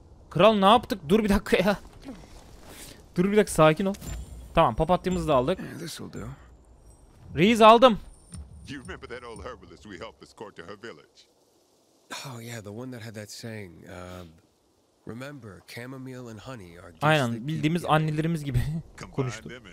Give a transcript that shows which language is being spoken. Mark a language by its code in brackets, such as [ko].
[tr] Kral ne yaptık? Dur bir dakika ya. Dur bir dakika, sakin ol. Tamam, papatyamızı da aldık. Reis aldım. [en] You remember that old herbalist we helped escort to her village? Oh yeah, the one that had that saying. Remember, chamomile and honey are just. [tr] Aynen, bildiğimiz annelerimiz gibi konuştuk.